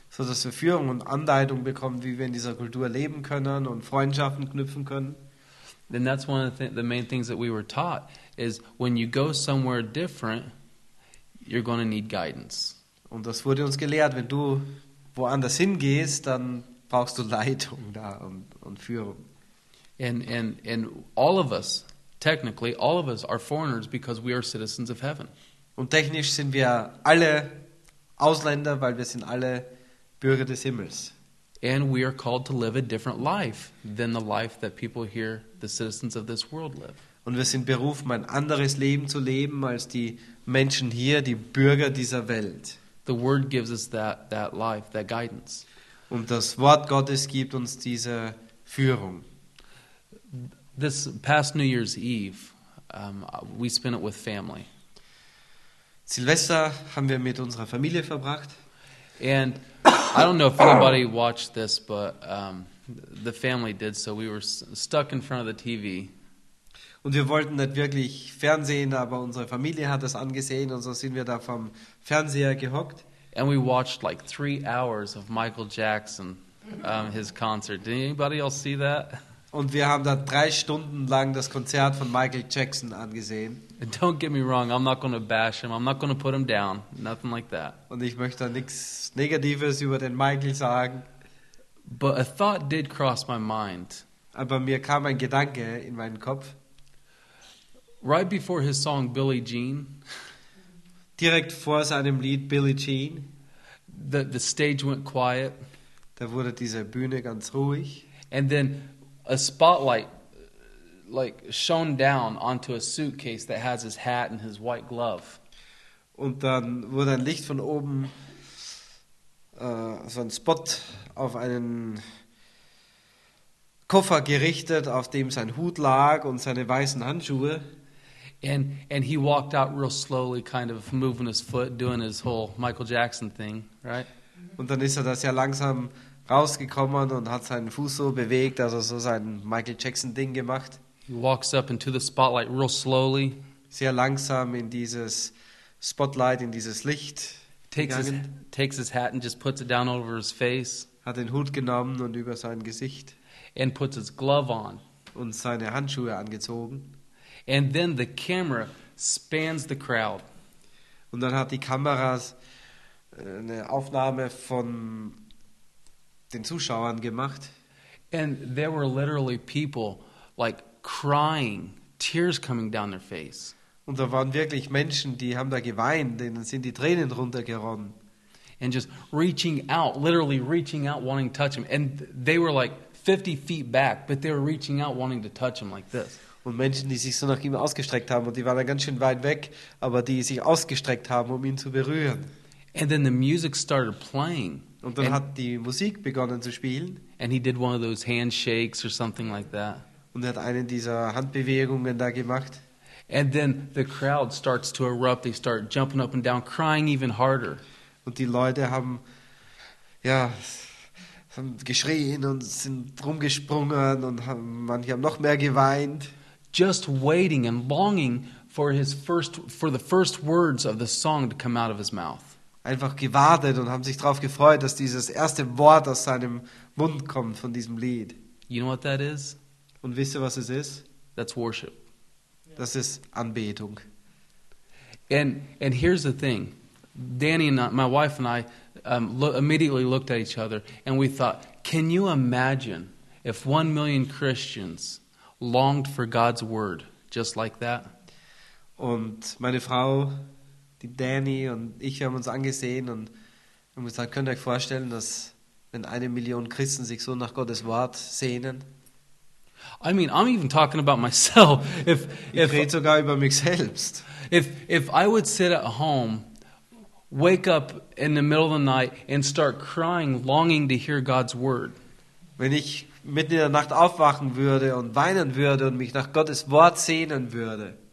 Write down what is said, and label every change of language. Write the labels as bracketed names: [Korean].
[German] So dass wir Führung und Anleitung bekommen, wie wir in dieser Kultur leben können und Freundschaften knüpfen können. [English] Then that's one of the main things that we were taught is when you go somewhere different, you're going to need guidance. [German] Und das wurde uns gelehrt, wenn du woanders hingehst, dann brauchst du Leitung da und Führung. [English] And all of us, technically, all of us are foreigners because we are citizens of heaven. [German] Und technisch sind wir alle Ausländer, weil wir sind alle Bürger des Himmels. [English] And we are called to live a different life than the life that people here, the citizens of this world, live. [German] Und wir sind berufen, ein anderes Leben zu leben als die Menschen hier, die Bürger dieser Welt. [English] The word gives us that life, that guidance. [German] Und das Wort Gottes gibt uns diese Führung. [English] This past New Year's Eve, we spent it with family. [German] Silvester haben wir mit unserer Familie verbracht. [English] And I don't know if anybody watched this, but the family did, so we were stuck in front of the TV. [German] Und wir wollten nicht wirklich Fernsehen, aber unsere Familie hat das angesehen und so sind wir da vom Fernseher gehockt. [English] And we watched like 3 hours of Michael Jackson, his concert. Did anybody else see that? [German] Und wir haben da 3 Stunden lang das Konzert von Michael Jackson angesehen. [English] And don't get me wrong, I'm not going to bash him. I'm not going to put him down. Nothing like that. [German] Und ich möchte da nichts Negatives über den Michael sagen. [English] But a thought did cross my mind. [German] Aber mir kam ein Gedanke in meinen Kopf. [English] Right before his song Billie Jean. [German] Direkt vor seinem Lied Billie Jean. [English] The stage went quiet. [German] Da wurde diese Bühne ganz ruhig. [English] And then a spotlight like shone down onto a suitcase that has his hat and his white glove. [German] Und dann wurde ein Licht von oben so ein Spot auf einen Koffer gerichtet, auf dem sein Hut lag und seine weißen Handschuhe. [English] And he walked out real slowly, kind of moving his foot, doing his whole Michael Jackson thing, right? [German] Und dann ist er das ja langsam rausgekommen und hat seinen Fuß so bewegt, also so sein Michael Jackson Ding gemacht. [English] He walks up into the spotlight real slowly. [German] Sehr langsam in dieses Spotlight, in dieses Licht. [English] Takes his hat and just puts it down over his face. [German] Hat den Hut genommen und über sein Gesicht. [English] And puts his glove on. [German] Und seine Handschuhe angezogen. [English] And then the camera spans the crowd. [German] Und dann hat die Kamera eine Aufnahme von den Zuschauern gemacht. [English] And there were literally people like crying, tears coming down their face. [German] Und da waren wirklich Menschen, die haben da geweint, denen sind die Tränen runtergeronnen. [English] And just reaching out, literally reaching out, wanting to touch him. And they were like 50 feet back, but they were reaching out, wanting to touch him like this. [German] Und Menschen, die sich so nach ihm ausgestreckt haben, und die waren dann ganz schön weit weg, aber die sich ausgestreckt haben, um ihn zu berühren. [English] And then the music started playing. [German] Und dann hat die Musik begonnen zu spielen. [English] And he did one of those handshakes or something like that. [German] Und er hat eine dieser Handbewegungen da gemacht. [English] And then the crowd starts to erupt. They start jumping up and down, crying even harder. [German] Und die Leute haben, ja, haben geschrien und sind rumgesprungen und haben, manche haben noch mehr geweint. [English] Just waiting and longing for his first, for the first words of the song to come out of his mouth. [German] Einfach gewartet und haben sich darauf gefreut, dass dieses erste Wort aus seinem Mund kommt von diesem Lied. [English] You know what that is? [German] Und wisst ihr, was es ist? [English] That's worship. [German] Das ist Anbetung. [English] And here's the thing. Danny and I, my wife and I immediately looked at each other and we thought, can you imagine if 1 million Christians longed for God's word just like that? [German] Und meine Frau, die Danny und ich, haben uns angesehen und haben gesagt, könnt ihr euch vorstellen, dass wenn 1 Million Christen sich so nach Gottes Wort sehnen? [English] I mean, I'm even talking about myself. [German] Ich rede sogar über mich selbst. [English] If I would sit at home, wake up in the middle of the night and start crying, longing to hear God's word. [German] Wenn ich mitten in der Nacht aufwachen würde und weinen würde und mich nach Gottes Wort sehnen würde.